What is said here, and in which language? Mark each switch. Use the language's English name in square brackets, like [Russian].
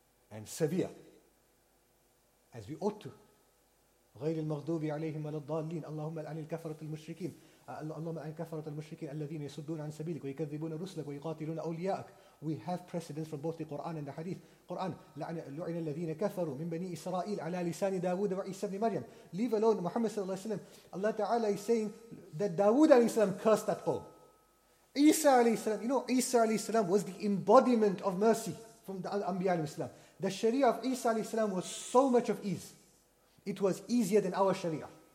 [English] And severe. As we ought to. [Arabic] غَيْرِ الْمَغْضُوبِ عَلَيْهِمْ وَلَا الضَّالِّينَ اللَّهُمَّ الْعَنِ الْكَفَرَةِ الْمُشْرِكِينَ اللَّهُمَّ الْعَنِ الْكَفَرَةِ الْمُشْرِكِينَ الَّذِينَ يَسُدُّونَ عَنْ سَبِيلِكَ وَيَكَذِّبُونَ رُسُلَكَ وَيُقَاتِلُونَ أَوْلِيَاءَكَ. [English] We have precedence from both the Quran and the Hadith. Quran, [Arabic] لعن الذين كفروا من بني إسرائيل على لسان داود وعيسى بن مريم. [English] Leave alone Muhammad sallallahu alayhi wa sallam. Allah Ta'ala is saying that Dawood alayhi salam cursed that قوم. Isa alayhi salam, you know, Isa alayhi salam was the embodiment of mercy from the Anbiya alayhi salam. The Sharia of Isa alayhi salam was so much of ease. It was easier than our Sharia.